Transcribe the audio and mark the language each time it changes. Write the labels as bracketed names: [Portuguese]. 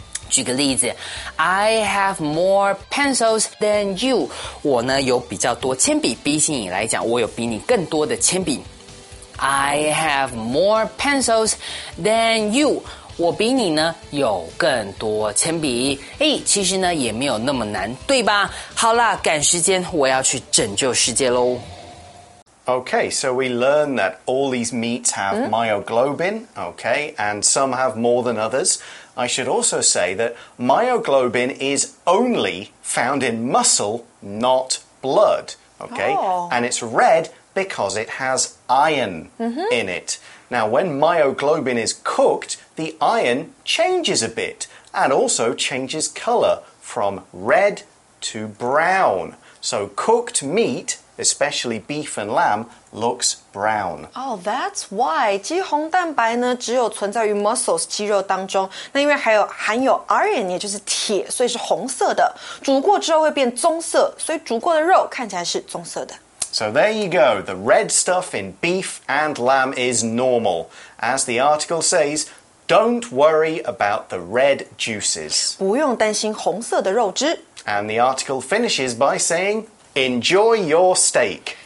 [Chinese] 举个例子， [English] I have more pencils than you， [Chinese] 我呢有比较多铅笔，比起你来讲我有比你更多的铅笔。 [English] I have more pencils than you， [Chinese] 我比你呢有更多铅笔。诶，其实呢也没有那么难，对吧？好啦，赶时间，我要去拯救世界咯。 [English] Okay, so we learn that all these meats have myoglobin, okay, and some have more than others. I should also say that myoglobin is only found in muscle, not blood, okay? And it's red because it has iron in it. Now, when myoglobin is cooked,The iron changes a bit and also changes color from red to brown. So cooked meat, especially beef and lamb, looks brown. Oh, that's why. [Chinese] 其实红蛋白呢只有存在于 muscles 肌肉当中，那因为还有含有 iron 也就是铁，所以是红色的，煮过之后会变棕色，所以煮过的肉看起来是棕色的。 [English] So there you go, the red stuff in beef and lamb is normal. As the article says,Don't worry about the red juices. [Chinese] 不用担心红色的肉汁。 [English] And the article finishes by saying, Enjoy your steak.